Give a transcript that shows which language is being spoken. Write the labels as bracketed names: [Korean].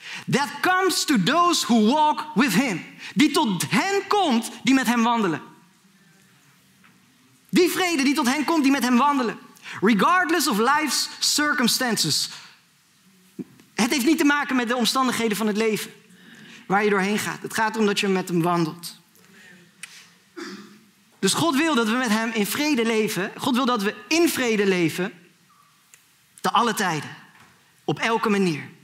[English] That comes to those who walk with him. [Dutch] Die tot hen komt die met hem wandelen. Die vrede die tot hen komt die met hem wandelen. [English] Regardless of life's circumstances. [Dutch] Het heeft niet te maken met de omstandigheden van het leven. Waar je doorheen gaat. Het gaat om dat je met hem wandelt. Dus God wil dat we met hem in vrede leven. God wil dat we in vrede leven. Te alle tijden. Op elke manier.